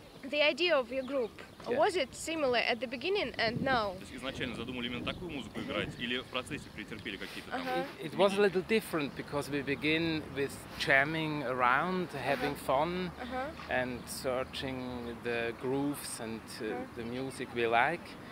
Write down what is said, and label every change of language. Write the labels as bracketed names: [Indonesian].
[English] The idea of your group, was it similar at the beginning and now? [Russian] Изначально задумали именно такую музыку играть или в процессе претерпели какие-то там? [English] It was a little different because we begin with jamming around, having fun and searching the grooves and the music we like.